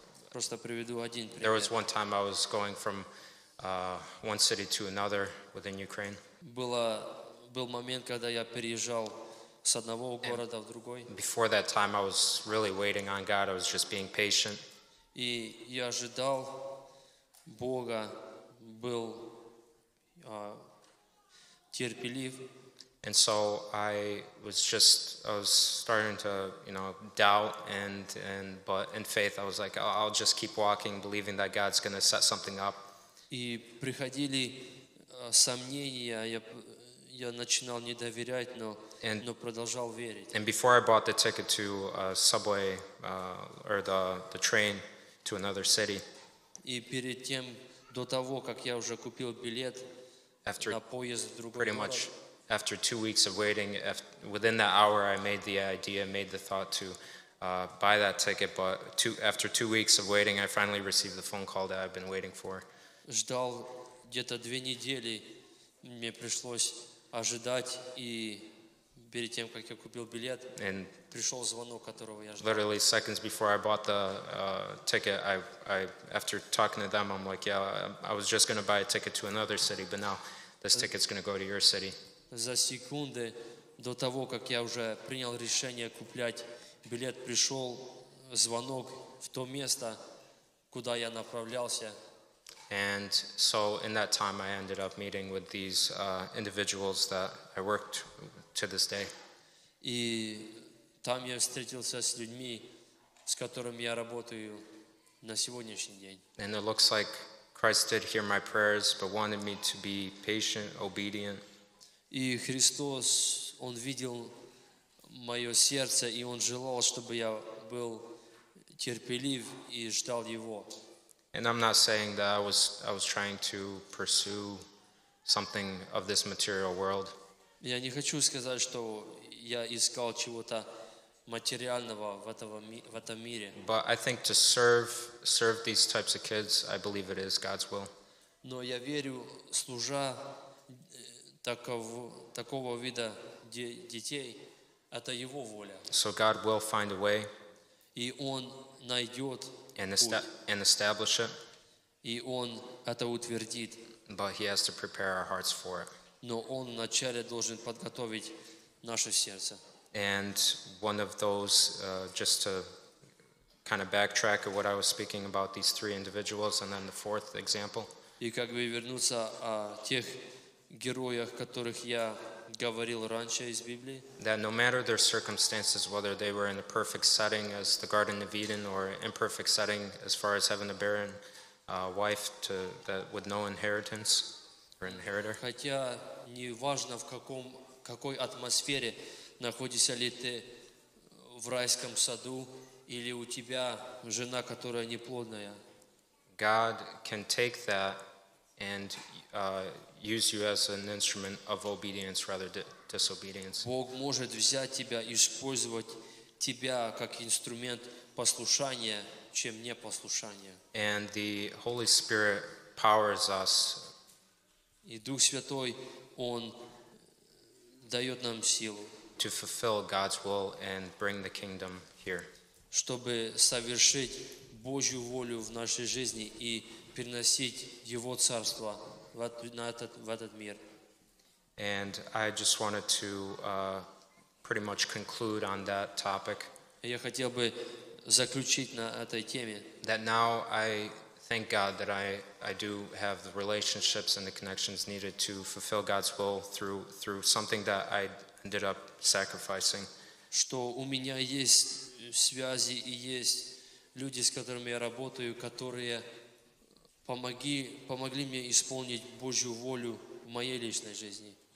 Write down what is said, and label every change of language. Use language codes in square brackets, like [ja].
[ru] просто приведу один пример. [en] There was one time I was going from one city to another within Ukraine. [ru] Был момент, когда я переезжал с одного города в другой. [en] Before that time, I was really waiting on God. I was just being patient. [ru] И я ожидал Бога, был терпелив. [en] And so I was starting to, you know, doubt and but in faith I was like, I'll just keep walking, believing that God's going to set something up. [ru] И приходили сомнения, я начинал не доверять, но продолжал верить. [en] And before I bought the ticket to subway or the train to another city. [ru] И перед тем, до того, как я уже купил билет на поезд в другой город. [en] Pretty much after 2 weeks of waiting, within that hour, I made the idea, made the thought to buy that ticket. But after 2 weeks of waiting, I finally received the phone call that I've been waiting for. [ru] Ждал где-то две недели. Мне пришлось ожидать, и перед тем, как я купил билет, пришел звонок, которого я ждал. [en] Literally seconds before I bought the ticket, I after talking to them, I'm like, yeah, I was just going to buy a ticket to another city, but now this ticket's going to go to your city. [ru] За секунды до того, как я уже принял решение куплять билет, пришел звонок в то место, куда я направлялся. [en] And so in that time I ended up meeting with these individuals that I worked to this day. [ru] И там я встретился с людьми, с которыми я работаю на сегодняшний день. [en] And it looks like Christ did hear my prayers, but wanted me to be patient, obedient. [ru] И Христос, он видел мое сердце, и он желал, чтобы я был терпелив и ждал его. [en] And I'm not saying that I was trying to pursue something of this material world. [ru] Я не хочу сказать, что я искал чего-то материального в этом мире. [en] But I think to serve these types of kids, I believe it is God's will. [ru] Но я верю, служа такого вида детей, это его воля. [en] So God will find a way. [ru] И он найдет [en] and establish it. [ru] И он это утвердит. [en] But he has to prepare our hearts for it. [ru] Но он вначале должен подготовить наше сердце. [en] And one of those, just to kind of backtrack of what I was speaking about, these three individuals, and then the fourth example. [ru] И как бы вернуться о тех героях, которых я говорил раньше из Библии. [en] That no matter their circumstances, whether they were in a perfect setting as the Garden of Eden or imperfect setting as far as having a barren wife to that with no inheritance or inheritor. [ru] Хотя не важно в каком какой атмосфере находишься ли ты в райском саду или у тебя жена, которая неплодная. [en] God can take that and use you as an instrument of obedience rather than disobedience. [ru] Бог может взять тебя и использовать тебя как инструмент послушания, чем непослушания. [en] And the Holy Spirit powers us. [ru] И Дух Святой, он дает нам силу. [en] To fulfill God's will and bring the kingdom here. [ru] Чтобы совершить Божью волю в нашей жизни и приносить Его царство в этот мир. [en] And I just wanted to pretty much conclude on that topic. [ru] Я хотел бы заключить на этой теме. [en] That now I thank God that I do have the relationships and the connections needed to fulfill God's will through something that I ended up sacrificing. [ru] Что у меня есть связи и есть люди, с которыми я работаю, которые помогли мне исполнить Божью волю в моей личной жизни.